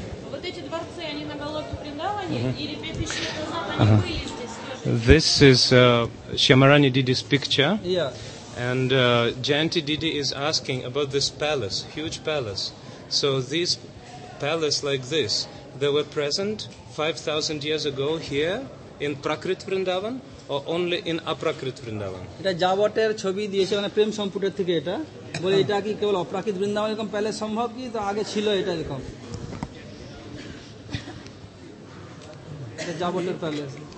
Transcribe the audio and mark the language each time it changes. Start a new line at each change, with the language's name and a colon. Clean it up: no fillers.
Russian: Вот эти дворцы, они на Галоке Вриндаване или 5000 лет назад они были здесь?
English: This is Shyamarani Didi's picture. Yeah. And Jayanti Didi is asking about this palace, huge palace. So this palace like this, they were present 5,000 years ago here in Prakrit Vrindavan or only in Aprakrit Vrindavan?
Bangla: এটা জাবটের ছবি দিয়েছে মানে প্রেম সম্পুটের থেকে এটা বলে এটা কি কেবল অপ্রাকৃত বৃন্দাবন এরকম প্যালেস সম্ভব কি তো আগে ছিল এটা এরকম এটা জাবটের প্যালেস